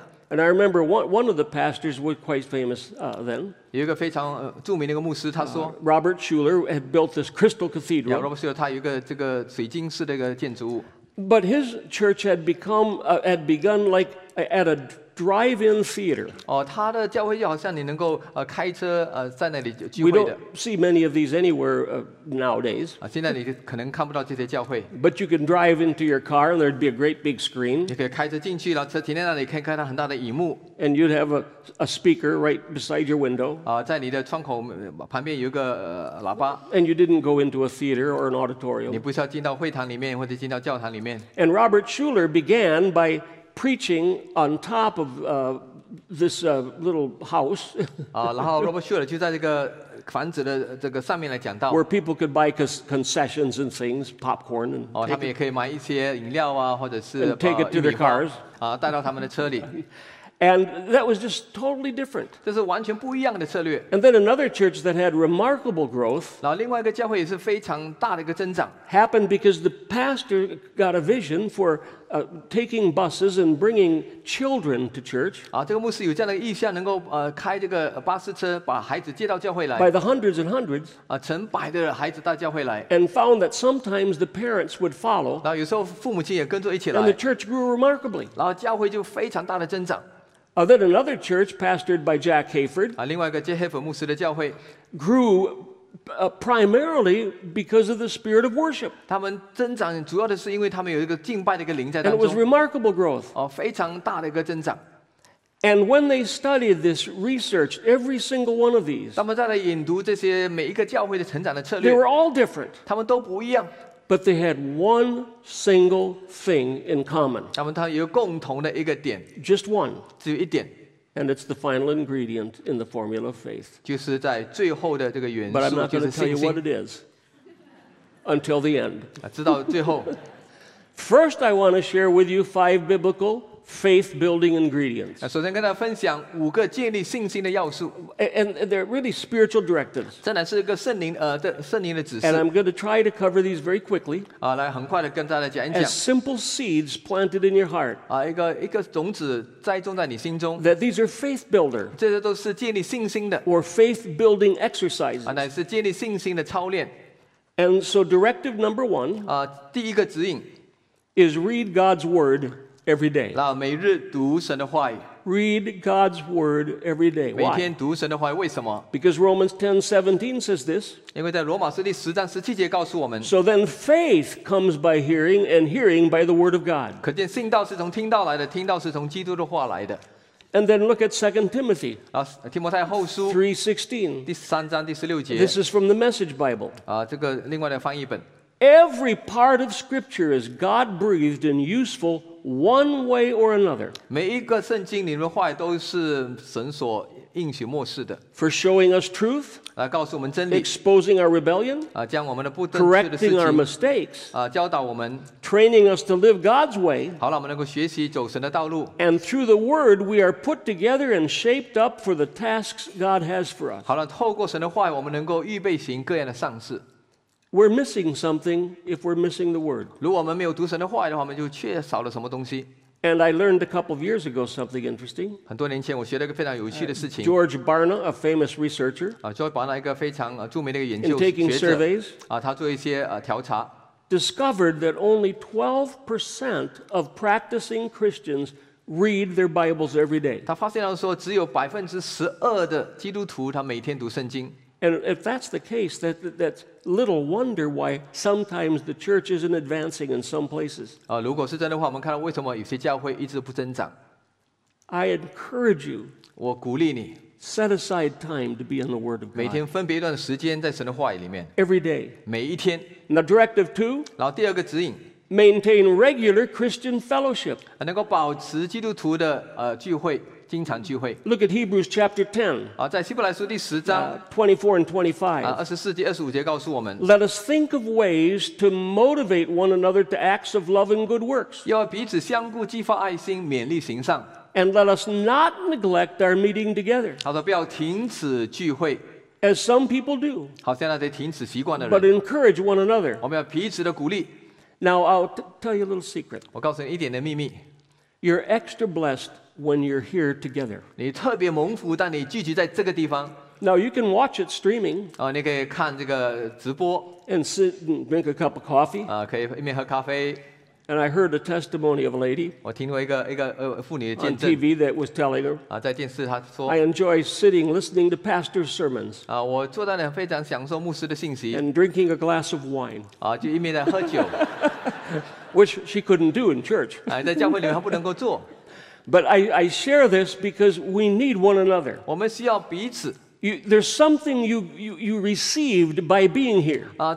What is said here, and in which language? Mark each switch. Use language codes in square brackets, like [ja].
[en] And I remember one of the pastors was quite famous then. [zh] 有一个非常著名的一个牧师，他说 [en] Robert Schuller had built this crystal cathedral. [zh] 亚罗伯逊他有一个这个水晶式的一个建筑物。 [en] But his church had become had begun like at a drive-in theater. [zh] 他的教会好像你能够开车在那里聚会的。 [en] We don't see many of these anywhere nowadays. [zh] 现在你可能看不到这些教会。 [en] But you can drive into your car and there'd be a great big screen. [zh] 你可以开车进去，然后车停在那里，可以看到很大的荧幕。 [en] And you'd have a speaker right beside your window. [zh] 在你的窗口旁边有一个喇叭。 [en] And you didn't go into a theater or an auditorium. [zh] 你不需要进到会堂里面或者进到教堂里面。 [en] And Robert Schuller began by preaching on top of this little house. [zh] 然后 Robert Schuller 就在这个房子的这个上面来讲道。 [en] Where people could buy concessions and things, popcorn and [zh] 他们也可以买一些饮料啊，或者是 [en] take it to their cars. [zh] 带到他们的车里。 [en] And that was just totally different. [zh] 这是完全不一样的策略。 [en] And then another church that had remarkable growth. [zh] 然后另外一个教会也是非常大的一个增长。 [en] Happened because the pastor got a vision for taking buses and bringing children to church. [zh] 这个牧师有这样的意向，能够开这个巴士车，把孩子接到教会来。 [en] By the hundreds and hundreds. [zh] 成百的孩子到教会来。 [en] And found that sometimes the parents would follow. [zh] 然后有时候父母亲也跟着一起来。 [en] And the church grew remarkably. [zh] 然后教会就非常大的增长。 [en] Then another church, pastored by Jack Hayford, [zh] 另外一个杰黑佛牧师的教会 [en] grew primarily because of the spirit of worship. [zh] 他们增长主要的是因为他们有一个敬拜的一个灵在当中。 [en] And it was remarkable growth. [zh] 非常大的一个增长。 [en] And when they studied this research, every single one of these, [zh] 他们在来研读这些每一个教会的成长的策略。 [en] They were all different. [zh] 他们都不一样。 [en] But they had one single thing in common. [zh] 他们有共同的一个点。 [en] Just one. [zh] 只有一点。 [en] And it's the final ingredient in the formula of faith. [zh] 就是在最后的这个元素，就是信心。 [en] But I'm not going to tell you what it is until the end. [zh] 直到最后。 [en] First, I want to share with you five biblical faith-building ingredients. [zh] 首先跟大家分享五个建立信心的要素。 [en] And they're really spiritual directives. [zh] 真的是一个圣灵的指示。 [en] And I'm going to try to cover these very quickly. [zh] 来很快的跟大家讲一讲。 [en] As simple seeds planted in your heart. [zh] 一个种子栽种在你心中。 [en] That these are faith builder. [zh] 这些都是建立信心的。 [en] Or faith-building exercises. [zh] 乃是建立信心的操练。 [en] And so directive number one. [zh] 第一个指引。 [en] Is read God's word every day. [zh] 每日读神的话语。 [en] Read God's word every day. Why? [zh] 每天读神的话语，为什么？ [en] Because Romans 10:17 says this. [zh] 因为在罗马书第十章十七节告诉我们。 [en] So then faith comes by hearing, and hearing by the word of God. [zh] 可见信道是从听道来的，听道是从基督的话来的。 [en] And then look at 2 Timothy [zh] 3:16. 第三章第十六节。 [en] This is from the Message Bible. [zh] 这个另外的翻译本。 [en] Every part of Scripture is God-breathed and useful one way or another. [zh] 每一个圣经里面的话都是神所应许默示的。 [en] For showing us truth, [zh] 告诉我们真理。 [en] Exposing our rebellion, [zh] 将我们的不正确的事情。 [en] Correcting our mistakes, [zh] 教导我们。 [en] Training us to live God's way, [zh] 好让我们能够学习走神的道路。 [en] And through the Word, we are put together and shaped up for the tasks God has for us. [zh] 好让透过神的话，我们能够预备行各样的善事。 [en] We're missing something if we're missing the word. [zh] 如果我们没有读神的话的话，我们就缺少了什么东西。 [en] And I learned a couple of years ago something interesting. [zh] 很多年前，我学了一个非常有趣的事情。 [en] George Barna, a famous researcher, [zh] George Barna 一个非常著名的一个研究学者。 [en] In taking surveys, [zh] 他做一些调查。 [en] Discovered that only 12% of practicing Christians read their Bibles every day. [zh] 他发现了说，只有12%的基督徒他每天读圣经。 [en] And if that's the case, that's little wonder why sometimes the church isn't advancing in some places. [zh] 如果是真的话，我们看到为什么有些教会一直不增长。 [en] I encourage you. [zh] 我鼓励你。 [en] Set aside time to be in the Word of God. [zh] 每天分别一段时间在神的话语里面。 [en] Every day. [zh] 每一天。 [en] Now directive two. [zh] 然后第二个指引。 [en] Maintain regular Christian fellowship. [zh] 能够保持基督徒的聚会。经常聚会。 [en] Look at Hebrews chapter 10. [zh] 在希伯来书第十章 [en] 24 and 25. [zh] 24节、25节告诉我们。 [en] Let us think of ways to motivate one another to acts of love and good works. [zh] 要彼此相顾，激发爱心，勉励行善。 [en] And let us not neglect our meeting together. [zh] 好的，不要停止聚会。 [en] As some people do. [zh] 好像那些停止习惯的人。 [en] But encourage one another. [zh] 我们要彼此的鼓励。 [en] Now I'll tell you a little secret. [zh] 我告诉你一点的秘密。 [en] You're extra blessed. When you're here together, [zh] 你特别蒙福，当你聚集在这个地方。 [en] Now you can watch it streaming. [zh] 你可以看这个直播。 [en] And sit and drink a cup of coffee. [zh] 可以一边喝咖啡。 [en] And I heard a testimony of a lady. [zh] 我听过一个妇女的见证。 [en] On TV that was telling her. [zh] 在电视她说。 [en] I enjoy sitting listening to pastor's sermons. [zh] 我坐在那非常享受牧师的信息。 [en] And drinking a glass of wine. [zh] 就一边在喝酒。 [en] Which she couldn't do in church. [zh] 在教会里她不能够做。 [en] But I share this because we need one another. [zh] 我们需要彼此。 [en] There's something you received by being here.